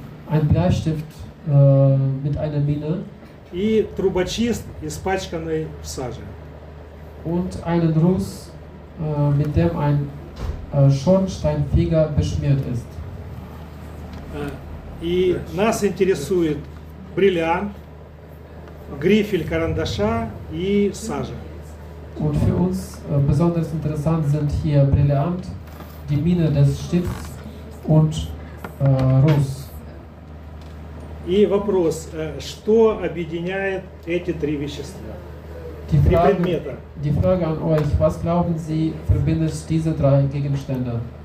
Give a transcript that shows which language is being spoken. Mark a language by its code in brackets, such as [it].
[de] Ein Bleistift mit einer Mine. [ru] И трубочист, испачканный в саже. [de] Und einen Russ, mit dem ein Schornsteinfeger beschmiert ist. [ru] И нас интересует бриллиант, грифель карандаша и сажа. [de] Und für uns besonders interessant sind hier Brillant, die Mine des Stifts und Rus. [ru] И вопрос, что объединяет эти три вещества? [de] Die Frage, an euch, was glauben Sie, verbindet diese drei Gegenstände?